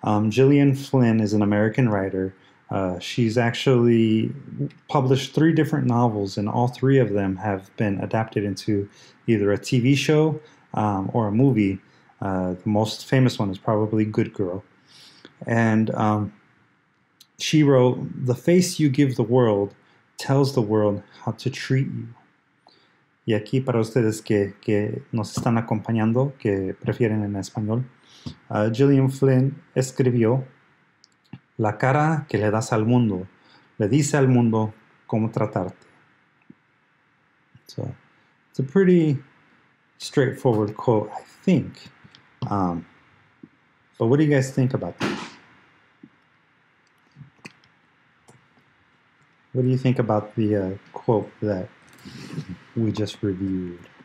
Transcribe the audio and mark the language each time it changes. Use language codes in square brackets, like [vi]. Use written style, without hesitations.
[en] Gillian Flynn is an American writer. She's actually published three different novels, and all three of them have been adapted into either a TV show or a movie. The most famous one is probably Good Girl. And she wrote, "The face you give the world tells the world how to treat you." [es] Y aquí para ustedes que nos están acompañando, que prefieren en español, Gillian Flynn escribió, "La cara que le das al mundo le dice al mundo cómo tratarte." [en] So it's a pretty straightforward quote, I think. But what do you guys think about this? What do you think about the quote that we just reviewed?